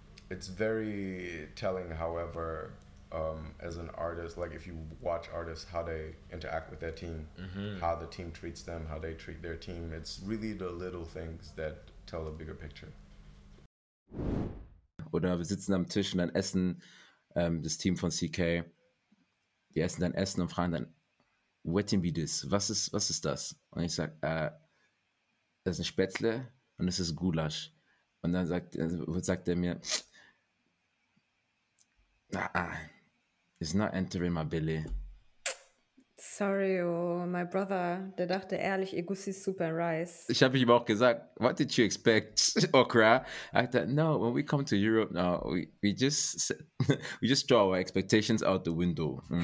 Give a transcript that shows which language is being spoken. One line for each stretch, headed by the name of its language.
English: It's very telling, however, as an artist, like if you watch artists, how they interact with their team, mm-hmm. how the team treats them, how they treat their team, it's really the little things that tell a bigger picture.
German: Oder wir sitzen am Tisch und dann essen das Team von CK die essen dann Essen und fragen dann,
English: what can be this?
German: Was ist das? Und ich sage, das ist ein Spätzle und es ist Gulasch. Und dann sagt er mir,
English: it's not entering my belly. Sorry, oh, my brother,
German: der dachte ehrlich, ihr Gussi ist super rice. Ich habe ihm auch gesagt,
English: what did you expect, okra? I said, no, when we come to Europe now, we just throw our expectations out the window.